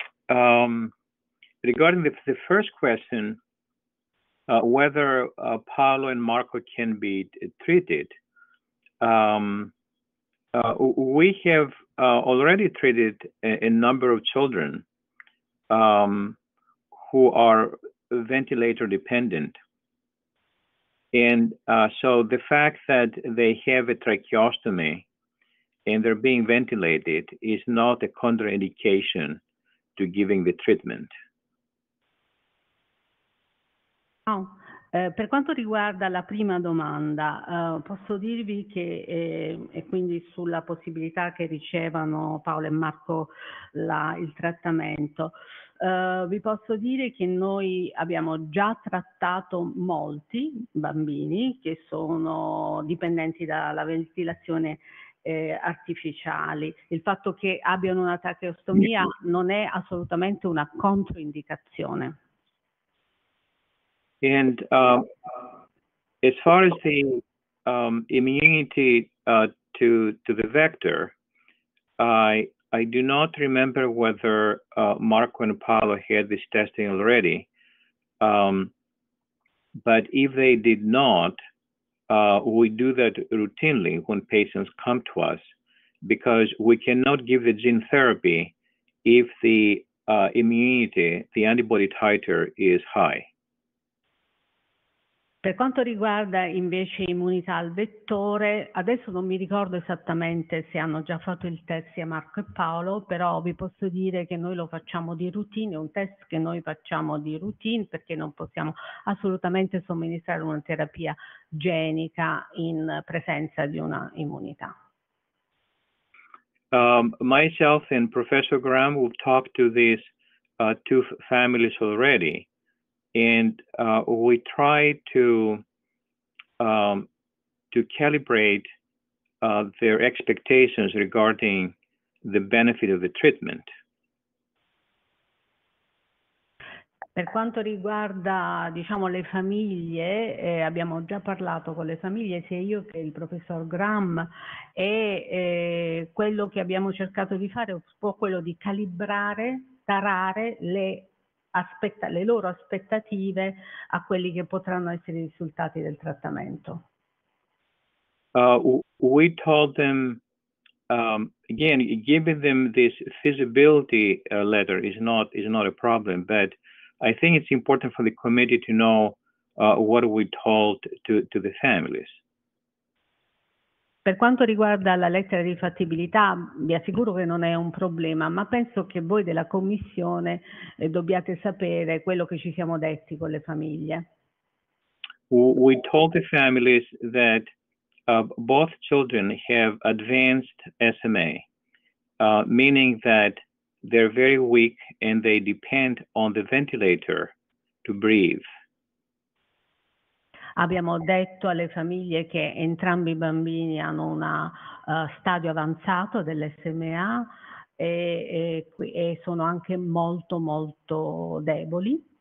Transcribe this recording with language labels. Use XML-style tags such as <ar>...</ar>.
<en>Regarding the first question, whether Paolo and Marco can be treated, we have already treated a number of children who are ventilator dependent. And so the fact that they have a tracheostomy and they're being ventilated is not a contraindication to giving the treatment. Oh.</en> <it>Per quanto riguarda la prima domanda, posso dirvi che, e quindi sulla possibilità che ricevano Paolo e Marco il trattamento, vi posso dire che noi abbiamo già trattato molti bambini che sono dipendenti dalla ventilazione artificiali. Il fatto che abbiano una tracheostomia non è assolutamente una controindicazione.</it> <en>And as far as the immunity to the vector, I do not remember whether Marco and Paolo had this testing already. But if they did not, we do that routinely when patients come to us, because we cannot give the gene therapy if the immunity, the antibody titer, is high.</en> <it>Per quanto riguarda invece immunità al vettore, adesso non mi ricordo esattamente se hanno già fatto il test sia Marco e Paolo, però vi posso dire che noi lo facciamo di routine, è un test che noi facciamo di routine perché non possiamo assolutamente somministrare una terapia genica in presenza di una immunità.</it> <en>Myself and Professor Graham will talk to these two families already. And we try to calibrate their expectations regarding the benefit of the treatment.</en> <it>Per quanto riguarda, diciamo, le famiglie, abbiamo già parlato con le famiglie, sia io che il professor Graham, e quello che abbiamo cercato di fare è un po' quello di calibrare, tarare le loro aspettative a quelli che potranno essere i risultati del trattamento.</it> <en>We told them, again, giving them this feasibility letter is not a problem, but I think it's important for the committee to know what we told to the families.</en> <it>Per quanto riguarda la lettera di fattibilità, vi assicuro che non è un problema, ma penso che voi della commissione dobbiate sapere quello che ci siamo detti con le famiglie.</it> <en>We told the families that both children have advanced SMA, meaning that they're very weak and they depend on the ventilator to breathe.</en> <it>Abbiamo detto alle famiglie che entrambi i bambini hanno un stadio avanzato dell'SMA e sono anche molto, molto deboli.</it>